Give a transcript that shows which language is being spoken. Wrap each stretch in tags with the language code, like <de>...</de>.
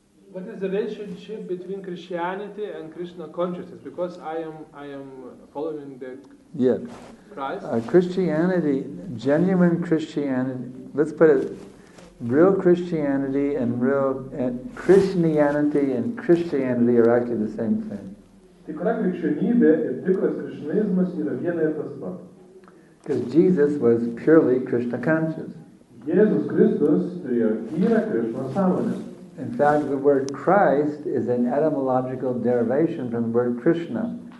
<en>What is the relationship between Christianity and Krishna consciousness? Because I am following the yeah. Christ. Christianity, genuine Christianity, let's put it, real Christianity and real Christianity and Christianity are actually the same thing.</en> <lt>Tikra krikščionybė ir tikras krishnaizmas yra viena ir tas pats.</lt> <en>Because Jesus was purely Krishna conscious.</en> <lt>Jesus Christus turėjo tyrą Krishna sąmonę.</lt> <en>In fact, the word Christ is an etymological derivation from the word Krishna.</en>